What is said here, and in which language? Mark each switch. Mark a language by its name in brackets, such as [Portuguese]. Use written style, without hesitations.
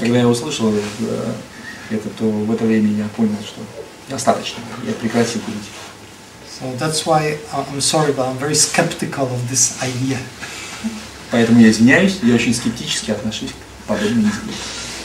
[Russian] Когда я услышал это, то в это время я понял, что достаточно. Я прекратил курить. [English] So that's why I'm sorry, but I'm very skeptical of this idea. [Russian] Поэтому я извиняюсь, я очень скептически отношусь к подобным идеям.